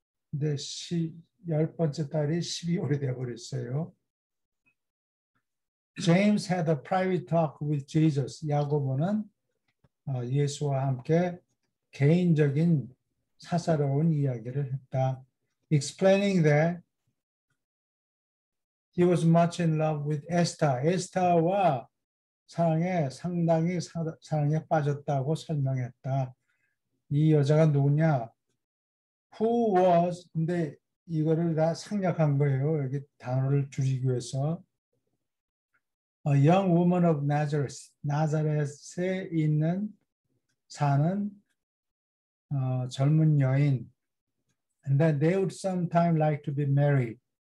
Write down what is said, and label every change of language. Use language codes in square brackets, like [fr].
[ko] 근데 열 번째 달이 12월이 되어버렸어요. [en] James had a private talk with Jesus. [ko] 야고보는 예수와 함께 개인적인 사사로운 이야기를 했다. [en] Explaining that he was much in love with Esther. [ko] Esther와 사랑에 상당히 사랑에 빠졌다고 설명했다. 이 여자가 누구냐? [en] Who was? [ko] 근데 이거를 다 생략한 거예요. 여기 단어를 줄이기 위해서. [en] A young woman of Nazareth. [ko] 나사렛에 있는 사는 젊은 여인. [en] And that they would sometime like to be married.